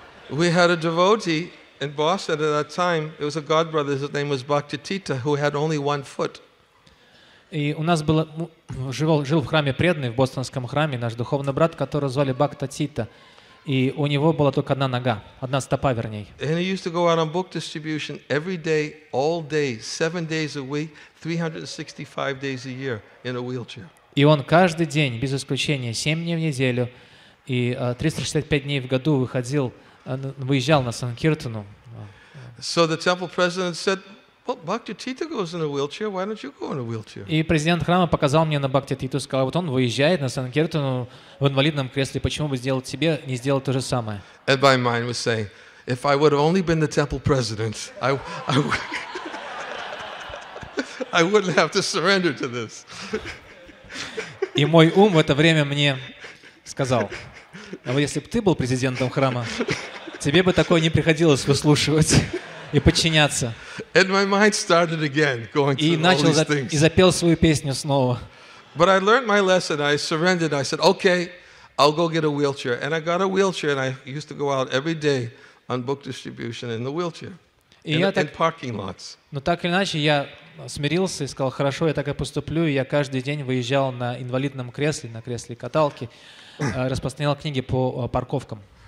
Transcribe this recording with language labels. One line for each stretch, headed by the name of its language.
English: We had a devotee in Boston at that time. It was a god brother, his name was Bhakti Tita, who had only one foot.
Russian: И у нас было, жил в храме преданный, в бостонском храме, наш духовный брат, которого звали Бхакта Тита. И у него была только одна нога, одна стопа, вернее.
English: And he used to go out on book distribution every day, all day, 7 days a week, 365 days a year in a wheelchair.
Russian: И он каждый день, без исключения, 7 дней в неделю и 365 дней в году выезжал на Санкиртану.
English: So the temple president said, well, Bhakti Tita goes in a wheelchair. Why don't you go in a wheelchair?
Russian: И президент храма показал мне на Бхакти Титу, сказал, вот он выезжает на Санкиртану в инвалидном кресле. Почему бы сделать себе не сделать то же самое?
English: And my mind was saying, if I would have only been the temple president, I wouldn't have to surrender to this.
Russian: И мой ум в это время мне сказал, а вот если бы ты был президентом храма, тебе бы такое не приходилось выслушивать. И подчиняться.
English: And my mind started again, going
Russian: и начал и запел свою песню снова.
English: But I learned my lesson. I surrendered. I said, "Okay, I'll go get a wheelchair." And I got a wheelchair, and I used to go out every day on book distribution in the wheelchair in parking lots.
Russian: Но так или иначе я смирился и сказал: "Хорошо, я так и поступлю." И я каждый день выезжал на инвалидном кресле, на кресле каталки, распространял книги по парковкам.